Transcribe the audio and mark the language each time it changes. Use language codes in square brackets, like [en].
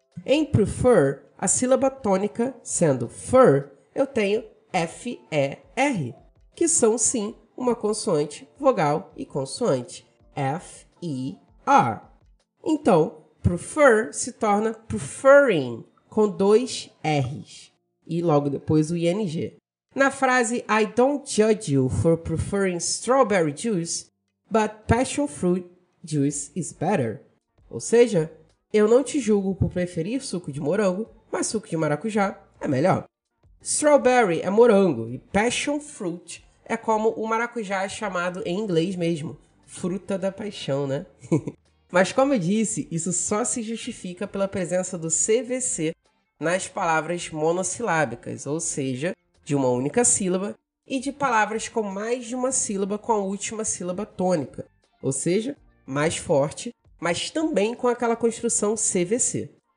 [pt] Em prefer, a sílaba tônica sendo fer, eu tenho F-E-R, que são sim uma consoante, vogal e consoante, F-E-R. Então, prefer se torna preferring, com dois R's, e logo depois o ing. Na frase [en] I don't judge you for preferring strawberry juice, but passion fruit juice is better. [pt] Ou seja, eu não te julgo por preferir suco de morango, mas suco de maracujá é melhor. Strawberry é morango e passion fruit é como o maracujá é chamado em inglês mesmo, fruta da paixão, né? Mas como eu disse, isso só se justifica pela presença do CVC nas palavras monossilábicas, ou seja, de uma única sílaba, e de palavras com mais de uma sílaba com a última sílaba tônica, ou seja, mais forte, mas também com aquela construção CVC.